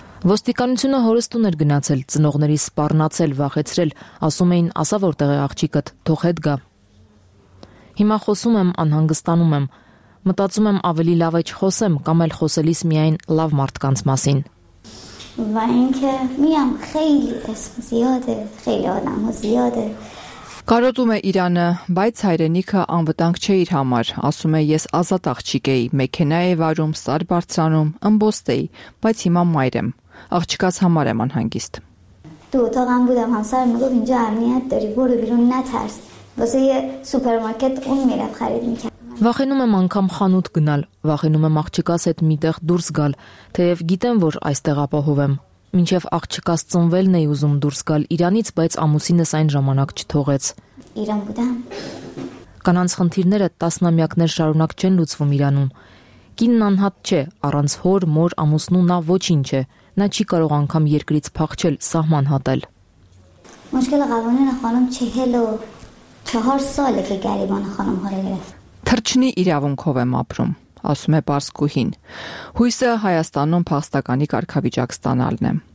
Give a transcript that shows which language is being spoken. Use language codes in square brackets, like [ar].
[hy] Ոստիկանությունը հորստուն էր գնացել, ծնողների սպառնացել, վախեցրել, ասում էին, ասա որտեղ է աղջիկդ, թող հետ գա։ Հիմա խոսում եմ, անհանգստանում եմ, մտածում եմ ավելի լավ է չխոսեմ, կամ էլ խոսելիս միայն լավ մարդկանց մասին։ [fa] و اینکه میام خیلی اسم زیاده خیلی آدم ها زیاده [hy] Կարոտում է Իրանը, բայց հայրենիքը անվտանգ չէ իր համար, ասում է ես ազատ աղջիկ էի, մեքենա էի վարում, սար բարձրանում, ըմբոստ էի, բայց հիմա մայր եմ, աղջիկաս համար եմ անհանգիստ։ [fa] Դու اتاقم بودم همسر میگفت اینجا امنیت داری برو بیرون نترس واسه یه سوپرمارکت اون میرفت خرید میکرد [hy] Վախենում եմ անգամ խանութ գնալ, վախենում եմ աղջիկաս հետ միտեղ դուրս գալ, թեև գիտեմ, որ այստեղ ապահով եմ։ Մինչև աղջիկաս ծնվելն էի ուզում դուրս գալ Իրանից, բայց ամուսինս այն ժամանակ չթողեց։ Իրան գտան։ Կանանց խնդիրները տասնամյակներ շարունակ չեն լուծվում Իրանում։ Կինն անհատ չէ, առանց հոր, մոր, ամուսնու նա ոչինչ է, նա չի կարող անգամ երկրից փախչել, սահման հատել։ Թրչնի իրավունքով եմ ապրում, ասում է Պարսկուհին։ Հույսը Հայաստանում փախստականի կարգավիճակ ստանալն է։